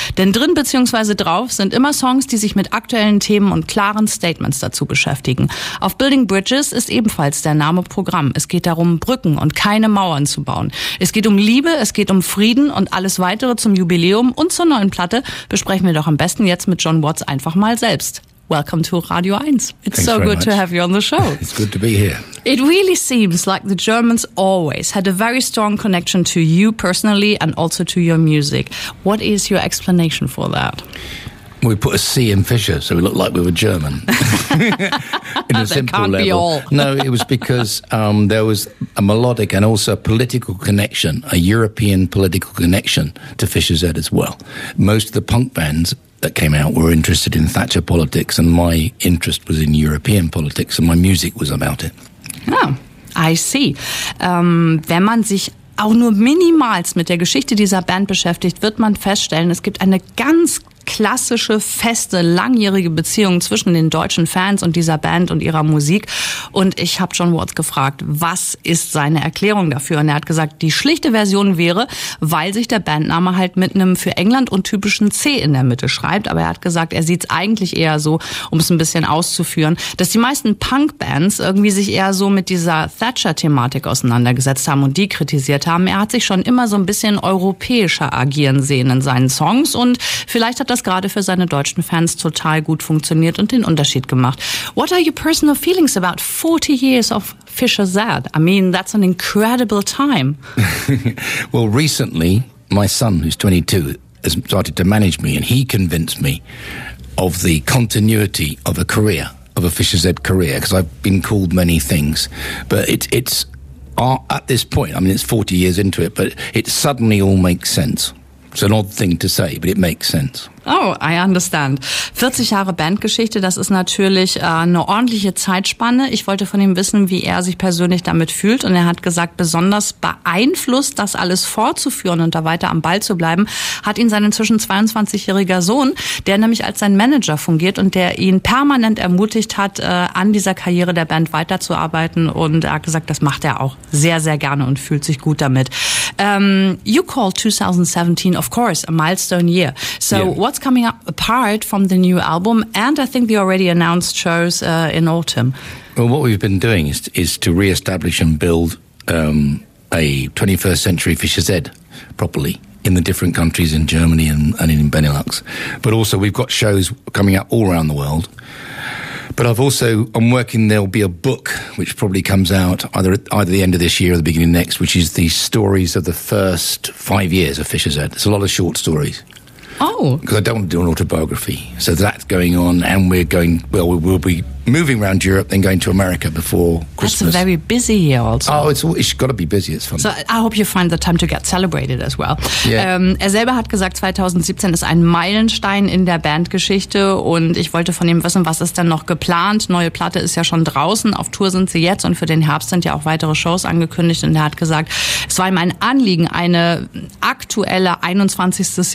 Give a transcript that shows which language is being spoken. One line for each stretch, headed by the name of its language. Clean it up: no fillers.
German: Denn drin bzw. drauf sind immer Songs, die sich mit aktuellen Themen und klaren Statements dazu beschäftigen. Auf Building Bridges ist ebenfalls der Name Programm. Es geht darum, Brücken und keine Mauern zu bauen. Es geht um Liebe, es geht um Frieden und alles Weitere zum Jubiläum und zur neuen Platte besprechen wir doch am besten jetzt mit John Watts einfach mal selbst.
English: Welcome to Radio 1. It's so good to have you on the show. It's good to be here. It really seems like the Germans always had a very strong connection to you personally and also to your music. What is your explanation for that? We put a C in Fischer, so we looked like we were German. In a that simple can't level. Be all. No, it was because there was a melodic and also a political connection, a European political connection to Fischer Zett as well. Most of the punk bands that came out were interested in Thatcher politics, and my interest was in European politics, and my music was about it. Oh, I see.
German: Wenn man sich auch nur minimals mit der Geschichte dieser Band beschäftigt, wird man feststellen, es gibt eine ganz klassische, feste, langjährige Beziehung zwischen den deutschen Fans und dieser Band und ihrer Musik. Und ich habe John Watts gefragt, was ist seine Erklärung dafür? Und er hat gesagt, die schlichte Version wäre, weil sich der Bandname halt mit einem für England untypischen C in der Mitte schreibt. Aber er hat gesagt, er sieht es eigentlich eher so, um es ein bisschen auszuführen, dass die meisten Punk-Bands irgendwie sich eher so mit dieser Thatcher-Thematik auseinandergesetzt haben und die kritisiert haben. Er hat sich schon immer so ein bisschen europäischer agieren sehen in seinen Songs und vielleicht hat das gerade für seine deutschen Fans total gut funktioniert und den Unterschied gemacht.
English: What are your personal feelings about 40 years of Fischer Zett? I mean, that's an incredible time. Well, recently, my son, who's 22, has started to manage me, and he convinced me of the continuity of a career, of a Fischer Zett career, because I've been called many things. But it's at this point, I mean, it's 40 years into it, but it suddenly all makes sense. It's an odd thing to say, but it makes sense. Oh, I understand.
German: 40 Jahre Bandgeschichte, das ist natürlich eine ordentliche Zeitspanne. Ich wollte von ihm wissen, wie er sich persönlich damit fühlt. Und er hat gesagt, besonders beeinflusst, das alles fortzuführen und da weiter am Ball zu bleiben, hat ihn sein inzwischen 22-jähriger Sohn, der nämlich als sein Manager fungiert und der ihn permanent ermutigt hat, an dieser Karriere der Band weiterzuarbeiten. Und er hat gesagt, das macht er auch sehr, sehr gerne und fühlt sich gut damit.
English: You call 2017, of course, a milestone year. So. Yeah. What's coming up apart from the new album and I think the already announced shows in autumn? Well, what we've been doing is to re-establish and build a 21st century Fischer Zett properly in the different countries in Germany and in Benelux. But also we've got shows coming out all around the world. But I'm working, there'll be a book which probably comes out either the end of this year or the beginning of next, which is the stories of the first 5 years of Fischer Zett. It's a lot of short stories. Oh. Because I don't want to do an autobiography. So that's going on, and we'll be moving around Europe, then going to America before Christmas. That's a very busy year also. Oh, it's got to be busy, it's fun. So I hope you find the time to get celebrated as well. Yeah.
German: Er selber hat gesagt, 2017 ist ein Meilenstein in der Bandgeschichte und ich wollte von ihm wissen, was ist denn noch geplant? Neue Platte ist ja schon draußen, auf Tour sind sie jetzt und für den Herbst sind ja auch weitere Shows angekündigt und er hat gesagt, es war ihm ein Anliegen, eine aktuelle 21.